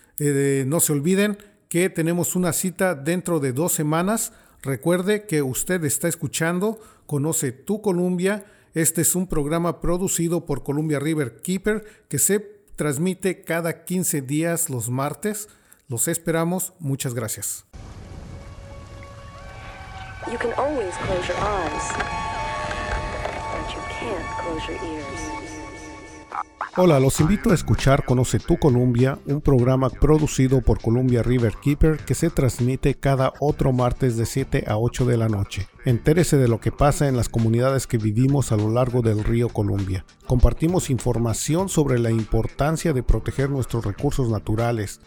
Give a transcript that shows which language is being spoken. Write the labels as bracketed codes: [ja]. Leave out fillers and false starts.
[es] No se olviden que tenemos una cita dentro de 2 semanas. Recuerde que usted está escuchando Conoce tu Columbia. Este es un programa producido por Columbia River Keeper que se transmite cada 15 días los martes. Los esperamos. Muchas gracias. [en] You can always close your eyes, but you can't close your ears. [es] Hola, los invito a escuchar Conoce tu Columbia, un programa producido por Columbia River Keeper que se transmite cada otro martes de 7 a 8 de la noche. Entérese de lo que pasa en las comunidades que vivimos a lo largo del río Columbia. Compartimos información sobre la importancia de proteger nuestros recursos naturales.